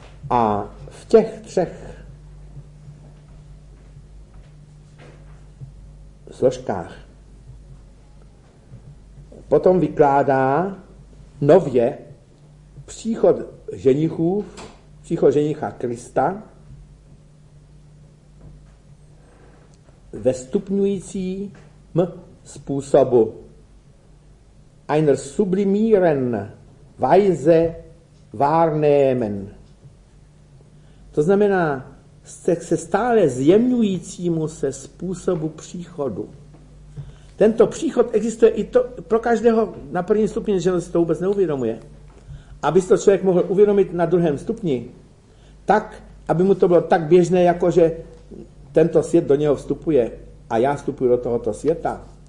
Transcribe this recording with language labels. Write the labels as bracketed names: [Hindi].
[Czech] A v těch třech složkách potom vykládá nově příchod ženichů, příchod ženicha Krista ve stupňujícím způsobu. [German] Einer sublimieren Weise wahrnehmen. [Czech] To znamená se stále zjemňujícímu se způsobu příchodu. Tento příchod existuje i to, pro každého na prvním stupni, že se to vůbec neuvědomuje. Aby se to člověk mohl uvědomit na druhém stupni, tak, aby mu to bylo tak běžné, jako že tento svět do něho vstupuje a já vstupuji do tohoto světa.